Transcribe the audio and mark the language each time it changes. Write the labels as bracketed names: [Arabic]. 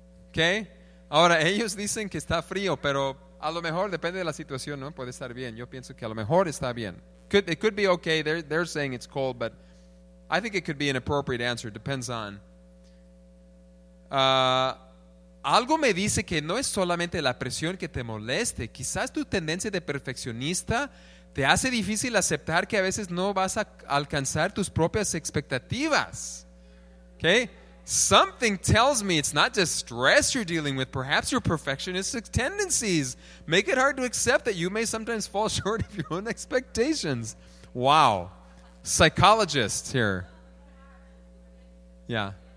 [Spanish] Okay, ahora ellos dicen que está frío, pero... a lo mejor, depende de la situación, ¿no? Puede estar bien. Yo pienso que a lo mejor está bien. [English] It could be okay. They're saying it's cold, but I think it could be an appropriate answer. Depends on. [Spanish] Algo me dice que no es solamente la presión que te moleste. Quizás tu tendencia de perfeccionista te hace difícil aceptar que a veces no vas a alcanzar tus propias expectativas. Okay? [English] Something tells me it's not just stress you're dealing with. Perhaps your perfectionistic tendencies make it hard to accept that you may sometimes fall short of your own expectations. Wow. Psychologists here. Yeah.